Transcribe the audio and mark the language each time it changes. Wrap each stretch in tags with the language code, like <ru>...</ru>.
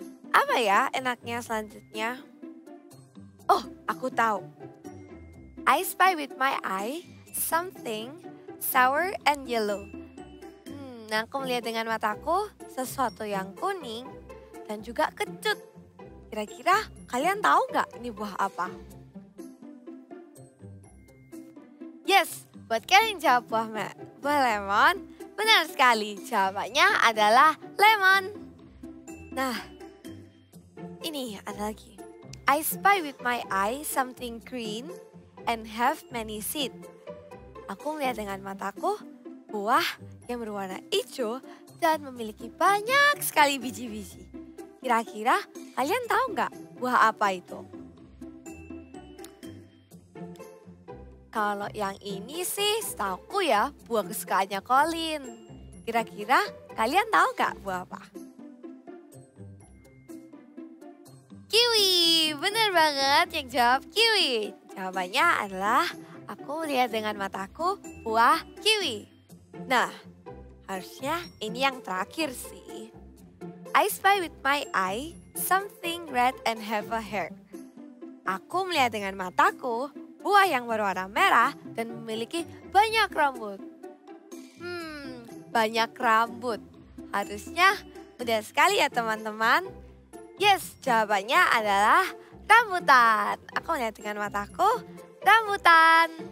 <id>Apa ya enaknya selanjutnya? Oh, aku tahu.</id> <en>I spy with my eye something sour and yellow.</en> <id>Aku melihat dengan mataku sesuatu yang kuning dan juga kecut. Kira-kira kalian tahu gak ini buah apa? Yes, buat kalian jawab buah lemon, benar sekali. Jawabannya adalah lemon. Nah, ini ada lagi.</id> <en>I spy with my eye something green and have many seed.</en> <id>Aku melihat dengan mataku buah yang berwarna hijau dan memiliki banyak sekali biji-biji. Kira-kira kalian tahu nggak buah apa itu? Kalau yang ini sih setauku ya buah kesukaannya Colin. Kira-kira kalian tahu nggak buah apa? Kiwi, benar banget yang jawab kiwi. Jawabannya adalah aku lihat dengan mataku buah kiwi. Nah, harusnya ini yang terakhir sih.</id> <en>I spy with my eye something red and have a hair.</en> <id>Aku melihat dengan mataku buah yang berwarna merah dan memiliki banyak rambut. Banyak rambut. Harusnya mudah sekali ya teman-teman. Yes, jawabannya adalah rambutan. Aku melihat dengan mataku rambutan.</id>